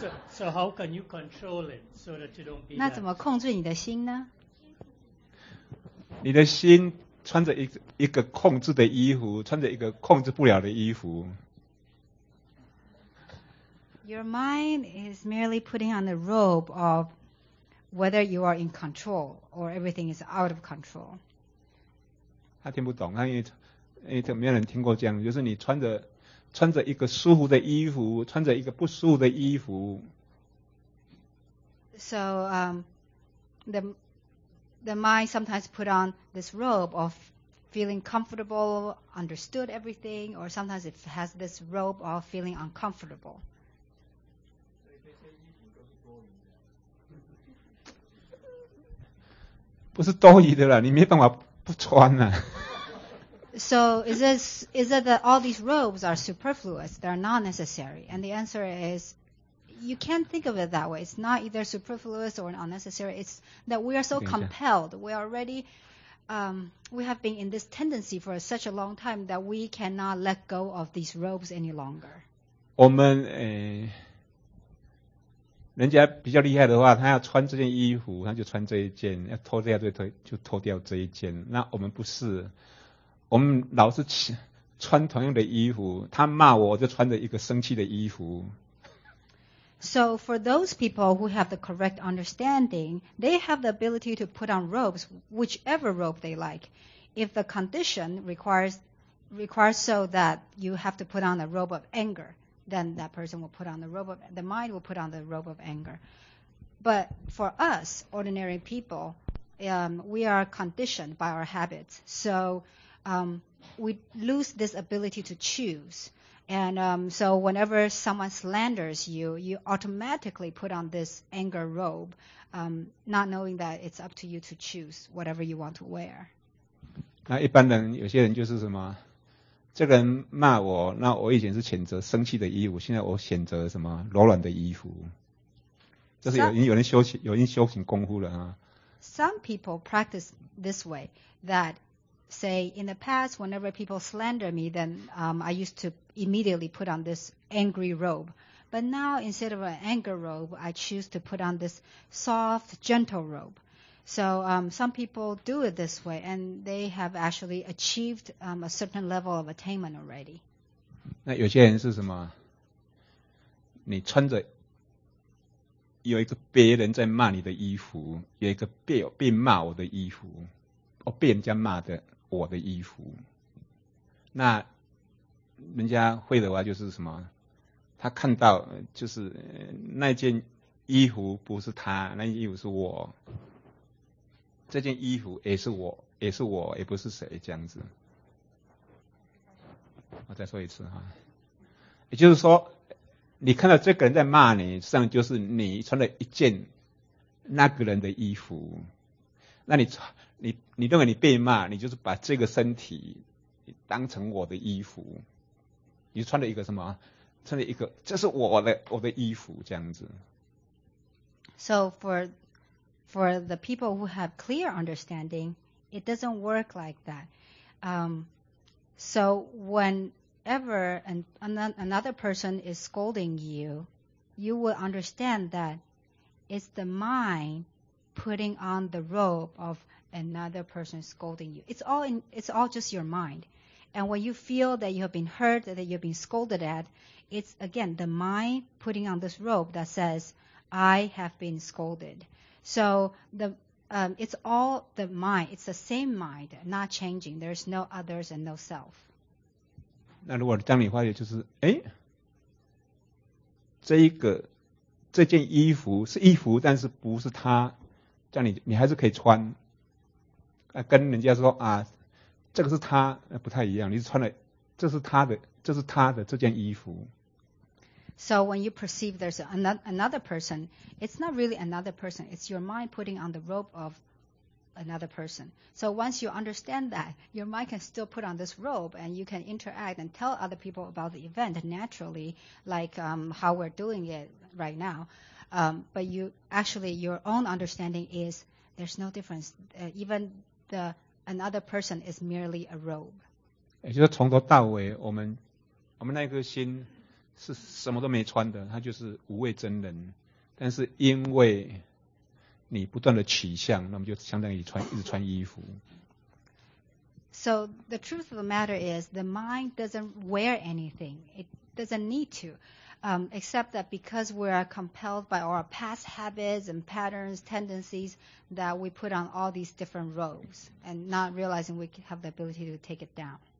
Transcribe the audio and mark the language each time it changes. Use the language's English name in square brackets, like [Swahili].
[English] So how can you control it so that you don't be? [Chinese] 那怎么控制你的心呢？你的心。穿着一个控制的衣服，穿着一个控制不了的衣服。 [English] Your mind is merely putting on the robe of whether you are in control or everything is out of control. [Chinese] 他听不懂，因为没有人听过这样，就是你穿着一个舒服的衣服，穿着一个不舒服的衣服。 [English] So, the mind sometimes put on this robe of feeling comfortable, understood everything, or sometimes it has this robe of feeling uncomfortable. So is it that all these robes are superfluous, they're not necessary? And the answer is,You can't think of it that way. It's not either superfluous or unnecessary. It's that we are so compelled. We are already, we have been in this tendency for such a long time that we cannot let go of these robes any longer. [Chinese] 我们人家比较厉害的话，他要穿这件衣服，他就穿这一件；要脱掉这件，就脱掉这一件。那我们不是，我们老是穿同样的衣服。他骂我，我就穿着一个生气的衣服。 [English] So for those people who have the correct understanding, they have the ability to put on robes, whichever robe they like. If the condition requires so that you have to put on a robe of anger, then that person will put on the mind will put on the robe of anger. But for us, ordinary people, we are conditioned by our habits. So we lose this ability to choose. And so whenever someone slanders you, you automatically put on this anger robe, not knowing that it's up to you to choose whatever you want to wear. [Chinese] 那一般人有些人就是什么这个人骂我那我以前是选择生气的衣服现在我选择什么柔软的衣服这是 有人修行功夫了、啊、 [English] Some people practice this way that say in the past whenever people slander me then、I used to immediately put on this angry robe but now instead of an anger robe I choose to put on this soft gentle robeSo, some people do it this way, and they have actually achieved, a certain level of attainment already. [Chinese] 那有些人是什么？你穿着有一个别人在骂你的衣服，有一个被骂我的衣服，哦，被人家骂的我的衣服。那人家会的话就是什么？他看到就是那件衣服不是他，那件衣服是我。这件衣服也是我，也是我，也不是谁这样子。我再说一次哈，也就是说，你看到这个人在骂你，实际上就是你穿了一件那个人的衣服。那你认为你被骂，你就是把这个身体当成我的衣服，你穿了一个什么？穿了一个，这是我的衣服这样子。 [English] So for the people who have clear understanding, it doesn't work like that. So whenever another person is scolding you, you will understand that it's the mind putting on the robe of another person scolding you. It's all just your mind. And when you feel that you have been hurt, that you've been scolded at, it's again the mind putting on this robe that says, I have been scolded. So it's all the mind. It's the same mind, not changing. There's no others and no self. [Chinese] 那如果当你发觉就是，哎，这件衣服是衣服，但是不是他，这样你还是可以穿。跟人家说啊，这个是他，不太一样。你是穿了，这是他的这件衣服。 [English] So when you perceive there's another person, it's not really another person. It's your mind putting on the robe of another person. So once you understand that, your mind can still put on this robe and you can interact and tell other people about the event naturally, like how we're doing it right now. But you actually, your own understanding is there's no difference. Even the another person is merely a robe. [Chinese] 也就是从头到尾我们那个心是什么都没穿的，他就是无畏真人。但是因为你不断的取向，那么就相当于一直穿衣服。 [English] So the truth of the matter is, the mind doesn't wear anything. It doesn't need to, except that because we are compelled by our past habits and patterns, tendencies, that we put on all these different robes and not realizing we have the ability to take it down.